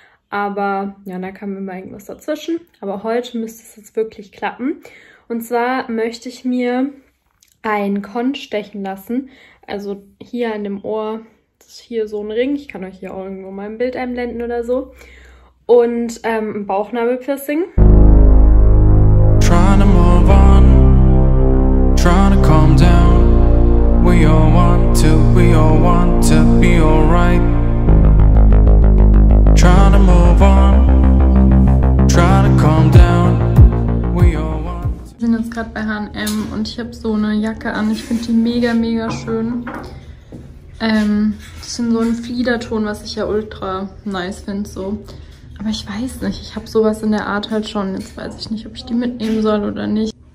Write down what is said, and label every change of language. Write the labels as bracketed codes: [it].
[de] Aber ja, da kam immer irgendwas dazwischen. Aber heute müsste es jetzt wirklich klappen. Und zwar möchte ich mir ein Con stechen lassen. Also hier an dem Ohr. Das ist hier so ein Ring. Ich kann euch hier auch irgendwo mal ein Bild einblenden oder so. Und ein Bauchnabelpiercing. [en] Trying to move on, trying to calm down. We all want to be alright. Trying to move on, trying to calm down. We all want to. [de] Wir sind jetzt gerade bei H&M und ich habe so eine Jacke an. Ich finde die mega, mega schön. Das ist so ein Fliederton, was ich ja ultra nice finde so. Aber ich weiß nicht, ich habe sowas in der Art halt schon. Jetzt weiß ich nicht, ob ich die mitnehmen soll oder nicht.